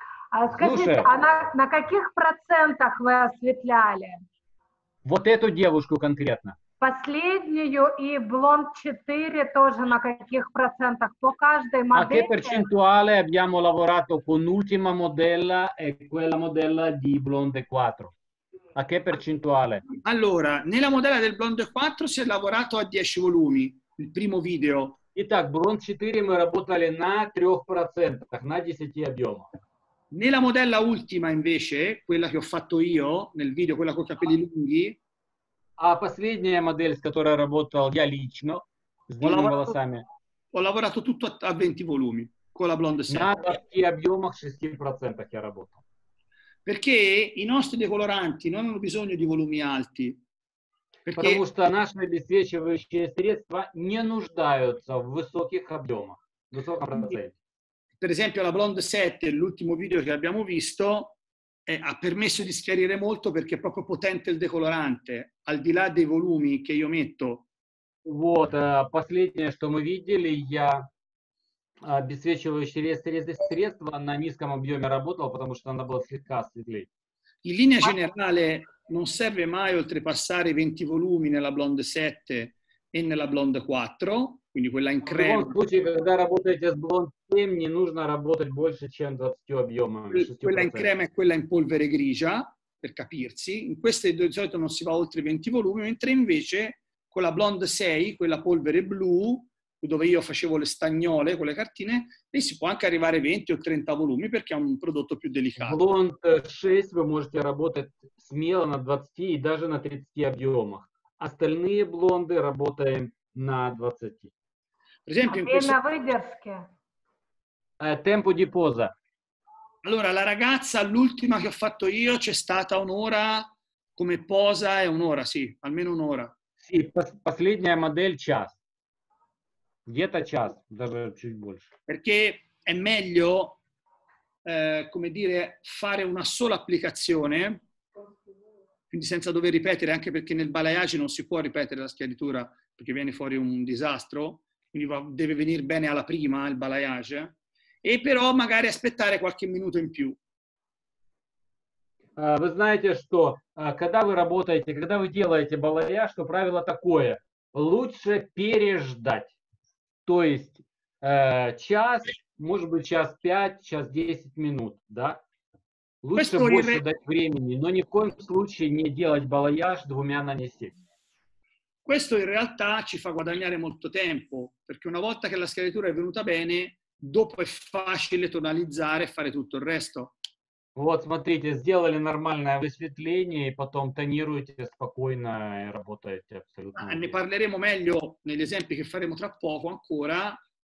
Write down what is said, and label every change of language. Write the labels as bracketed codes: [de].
[ru] А скажите, а на каких процентах вы осветляли? Вот эту девушку конкретно. Последнюю и блонд 4 тоже на каких процентах? По каждой модели? [it] A che percentuale abbiamo lavorato con l'ultima modella e quella modella di blonde 4? A che percentuale? Allora, nella modella del blonde 4 si è lavorato a 10 volumi, il primo video. [ru] Итак, Блонд 4 мы работали на 3%, на 10 объемах. [it] Nella modella ultima invece, quella che ho fatto io nel video, quella con capelli lunghi. [ru] А последняя модель, с которой работал я лично, с длинными волосами. [it] Ho lavorato tutto a 20 volumi con la Blonde 7. [ru] На 20 объемах 6% я работал. [it] Perché i nostri decoloranti non hanno bisogno di volumi alti. Perché [ru] потому что наши обесцвечивающие средства не нуждаются в высоких объемах, в высоком проценте. [it] Per esempio, la Blonde 7, l'ultimo video che abbiamo visto, ha permesso di schiarire molto perché è proprio potente il decolorante, al di là dei volumi che io metto. [ru] Вот, последнее, что мы видели, я обесцвечивающие средства на низком объеме работал, потому что она была слегка светлей. [it] In linea generale non serve mai oltrepassare i 20 volumi nella Blonde 7 e nella Blonde 4, quindi quella in crema. In ogni caso, quando lavorate con Blonde 7, non bisogna lavorare più di 20 [ru] объема. [it] Quella in crema e quella in polvere grigia, per capirsi. In queste due di solito non si va oltre i 20 volumi, mentre invece con la Blonde 6, quella polvere blu, dove io facevo le stagnole con le cartine, lì si può anche arrivare a 20 o 30 volumi perché è un prodotto più delicato. [ru] Blonde 6 [it] voi [ru] можете работать смело на 20 и даже на 30 объемах. Остальные блонды работаем на 20. [it] Per esempio, in questo... [ru] выдержки. [it] Tempo di posa. Allora, la ragazza, l'ultima che ho fatto io, c'è stata un'ora come posa, è un'ora, sì, almeno un'ora. Sì, [ru] последняя модель час. Где-то час, даже чуть больше. [it] Perché è meglio, come dire, fare una sola applicazione, quindi senza dover ripetere, anche perché nel balayage non si può ripetere la schiaritura, perché viene fuori un disastro, quindi deve venire bene alla prima il balayage, e però magari aspettare qualche minuto in più. [ru] Вы знаете, что когда вы работаете, когда вы делаете балаяж, то правило такое: лучше переждать. То есть час, может быть, час 5, час 10 минут, да? Лучше [it] questo [ru] больше дать времени, но ни в коем случае не делать балаяж двумя нанести. [it] Questo in realtà ci fa guadagnare molto tempo, perché una volta che la schiaritura è venuta bene, dopo è facile [ru] тонализзаре [it] fare tutto il resto. [ru] Вот, смотрите, сделали нормальное высветление, и потом тонируете спокойно и работаете абсолютно. [it] Ne parleremo meglio negli esempi che faremo tra poco ancora.